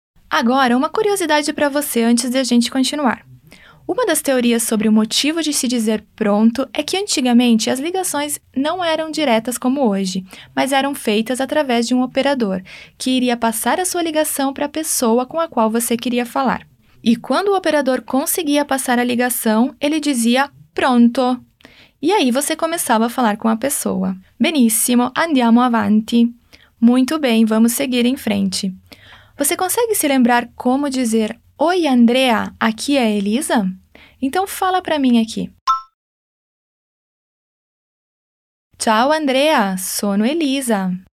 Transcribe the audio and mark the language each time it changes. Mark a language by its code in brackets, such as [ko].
[pt] Agora, uma curiosidade para você antes de a gente continuar. Uma das teorias sobre o motivo de se dizer pronto é que antigamente as ligações não eram diretas como hoje, mas eram feitas através de um operador, que iria passar a sua ligação para a pessoa com a qual você queria falar. E quando o operador conseguia passar a ligação, ele dizia pronto. E aí você começava a falar com a pessoa. [it] Benissimo, andiamo avanti. [pt] Muito bem, vamos seguir em frente. Você consegue se lembrar como dizer Oi, Andrea, aqui é Elisa? Então fala para mim aqui. [it] Ciao, Andrea, sono Elisa.